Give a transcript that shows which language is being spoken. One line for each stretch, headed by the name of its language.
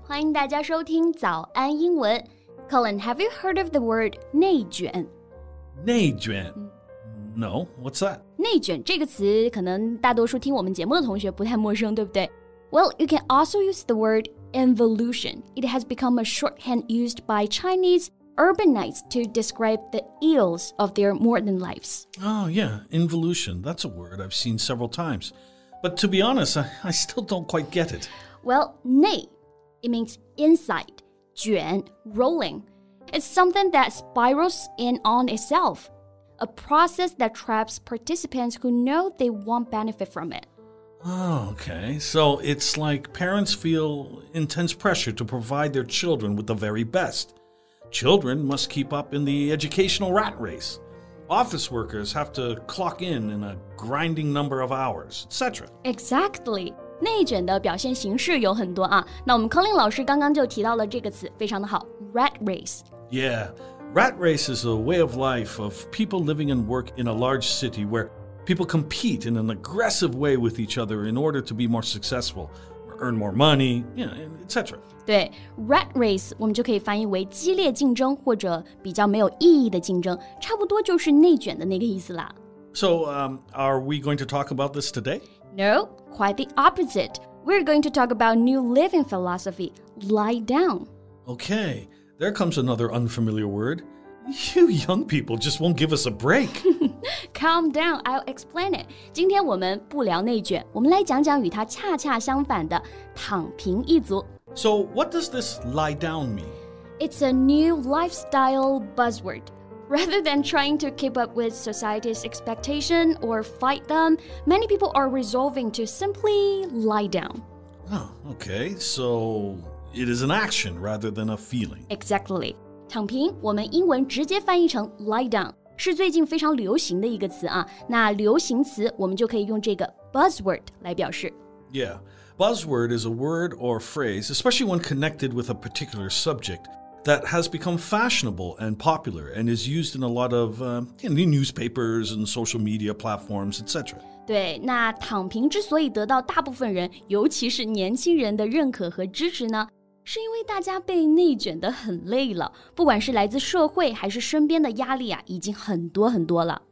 Chinese: 欢迎大家收听早安英文。
English: Colin, have you heard of the word 内卷? 内卷?No, what's that?
Chinese: 内卷这个词可能大多数听我们节目的同学不太陌生，对不对?
English: Well, you can also use the word involution. It has become a shorthand used by Chinese urbanites to describe the ills of their modern lives. Oh, yeah, involution. That's a word I've seen several times. But to be honest, I still don't quite get it. Well, 内, it means inside, 卷, rolling. It's something that spirals in on itself, a process that traps participants who know they won't benefit from it. Oh, okay. So it's like parents feel intense pressure to provide their children with the very best. Children must keep up in the educational rat race. Office workers have to clock in a grinding number of hours, etc. Exactly.
Chinese: 内卷的表现形式有很多啊。那我们 Colin 老师刚刚就提到了这个词，非常的好。Rat race.
English: Yeah. Rat race is a way of life of people living and work in a large city where people compete in an aggressive way with each other in order to be more successful. Earn more money, etc.
Chinese: 对 ,rat race 我们就可以翻译为激烈竞争或者比较没有意义的竞争差不多就是内卷的那个意思啦。
English: So, are we going to talk about this today? No, quite the opposite. We're going to talk about new living philosophy, lie down. Okay, there comes another unfamiliar word. You young people just won't give us a break. Calm down, I'll explain it.
Chinese: 今天我们不聊内卷，我们来讲讲与它恰恰相反的躺平一族。
English: So, what does this lie down mean? It's a new lifestyle buzzword. Rather than trying to keep up with society's expectation or fight them, many people are resolving to simply lie down. Oh, okay. So, it is an action rather than a feeling. Exactly.
Chinese: 躺平，我们英文直接翻译成 lie down. 是最近非常流行的一个词啊。那流行词我们就可以用这个 buzzword 来表示。
English: Yeah, buzzword is a word or phrase, especially when connected with a particular subject, that has become fashionable and popular and is used in a lot of newspapers and social media platforms, etc.
Chinese: 对，那躺平之所以得到大部分人，尤其是年轻人的认可和支持呢？是因为大家被内卷得很累了，不管是来自社会还是身边的压力啊，已经很多很多了。